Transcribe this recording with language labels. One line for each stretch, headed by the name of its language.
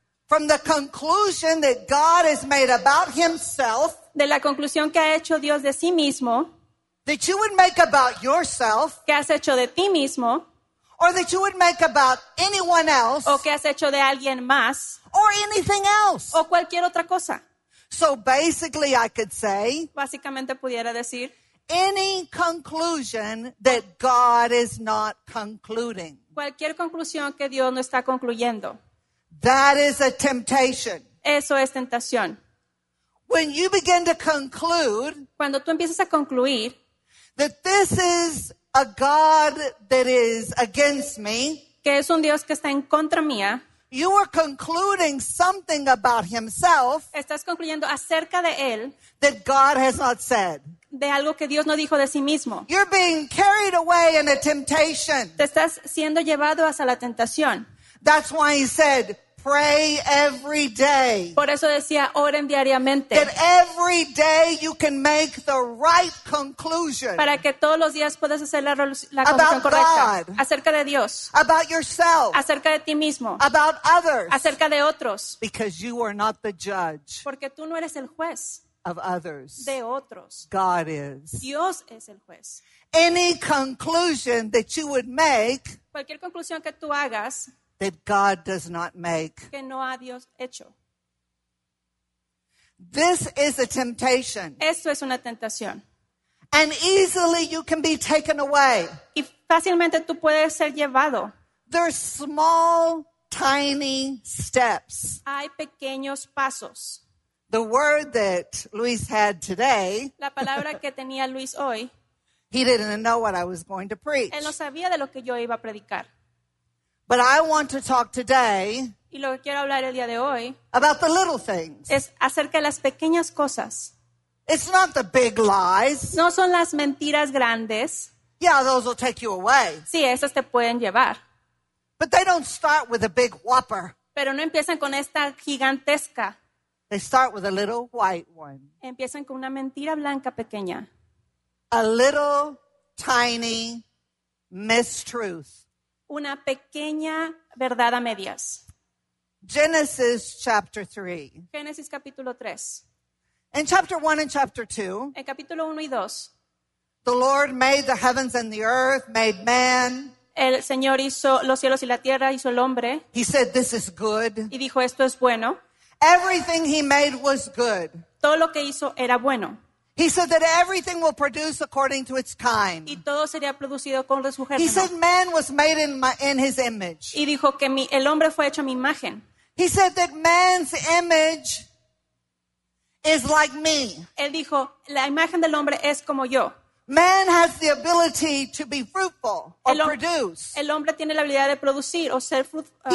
English: from the conclusion that God has made about himself,
Spanish: de la conclusión que ha hecho Dios de sí mismo,
English: that you would make about yourself,
Spanish: que has hecho de ti mismo,
English: or that you would make about anyone else,
Spanish: o que has hecho de alguien más,
English: or anything else,
Spanish: o cualquier otra cosa.
English: So basically I could say,
Spanish: básicamente pudiera decir,
English: any conclusion that God is not concluding,
Spanish: cualquier conclusión que Dios no está concluyendo,
English: that is a temptation.
Spanish: Eso es tentación.
English: When you begin to conclude,
Spanish: cuando tú empiezas a concluir,
English: that this is a God that is against me,
Spanish: que es un Dios que está en contra mía,
English: you are concluding something about himself,
Spanish: estás concluyendo acerca de él,
English: that God has not said,
Spanish: de algo que Dios no dijo de sí mismo.
English: You're being carried away in a temptation.
Spanish: Te estás siendo llevado hacia la tentación.
English: That's why he said, pray every day.
Spanish: Por eso decía, oren diariamente.
English: That every day you can make the right conclusion.
Spanish: Para que todos los días puedas hacer la conclusión
English: about
Spanish: correcta.
English: God.
Spanish: Acerca de Dios.
English: About yourself.
Spanish: Acerca de ti mismo.
English: About others.
Spanish: Acerca de otros.
English: Because you are not the judge.
Spanish: Porque tú no eres el juez.
English: Of others.
Spanish: De otros.
English: God is.
Spanish: Dios es el juez.
English: Any conclusion that you would make,
Spanish: cualquier conclusión que tú hagas,
English: that God does not make,
Spanish: que no ha Dios hecho.
English: This is a temptation.
Spanish: Esto es una tentación.
English: And easily you can be taken away.
Spanish: Y fácilmente tú puedes ser llevado.
English: There are small, tiny steps.
Spanish: Hay pequeños pasos.
English: The word that Luis had today,
Spanish: la palabra que tenía Luis hoy,
English: he didn't know what I was going to preach.
Spanish: Él no sabía de lo que yo iba a predicar.
English: But I want to talk today,
Spanish: y lo que quiero hablar el día de hoy,
English: about the little things.
Spanish: Es acerca de las pequeñas cosas.
English: It's not the big lies.
Spanish: No son las mentiras grandes.
English: Yeah, those will take you away.
Spanish: Sí, esas te pueden llevar.
English: But they don't start with a big whopper.
Spanish: Pero no empiezan con esta gigantesca.
English: They start with a little white one.
Spanish: Empiezan con una mentira blanca pequeña.
English: A little tiny mistruth.
Spanish: Una pequeña verdad a medias.
English: Genesis chapter 3.
Spanish: Génesis capítulo 3.
English: In chapter 1 and chapter 2.
Spanish: En capítulo 1 y 2.
English: The Lord made the heavens and the earth, made man.
Spanish: El Señor hizo los cielos y la tierra, hizo el hombre.
English: He said, "This is good."
Spanish: Y dijo, "Esto es bueno."
English: Everything he made was good.
Spanish: Todo lo que hizo era bueno.
English: He said that everything will produce according to its kind.
Spanish: Y todo sería producido con su género.
English: He said man was made in his image.
Spanish: Y dijo que el hombre fue hecho a mi imagen.
English: He said that man's image is like me.
Spanish: Él dijo, la imagen del hombre es como yo.
English: Man has the ability to be fruitful or produce.
Spanish: El hombre tiene la habilidad de producir o ser fructífero.